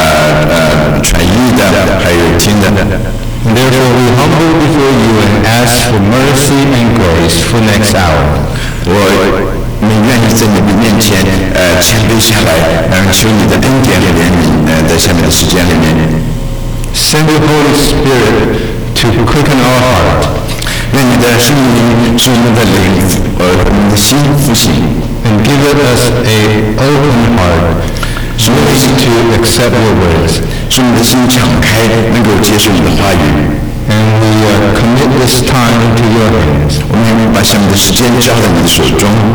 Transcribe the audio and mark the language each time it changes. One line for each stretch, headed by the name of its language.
Chinese: 父神，我们知道我们是何等的有限，不管是讲的、传译的，还有听的。
English: Therefore, we humble before you and ask for mercy and grace for next hour.
Chinese: 我们愿意在你的面前谦卑下来，求你的恩典和怜悯，在下面的时间里面。
English: Send the Holy Spirit to quicken our heart.
Chinese: 愿你的圣灵使我们的灵，我们的心复兴。
English: And give us a open heart, ready to accept your words.
Chinese: 使我们的心敞开，能够接受你的话语。
English: And we commit this time to your hands.
Chinese: 我们把下面的时间交在你的手中。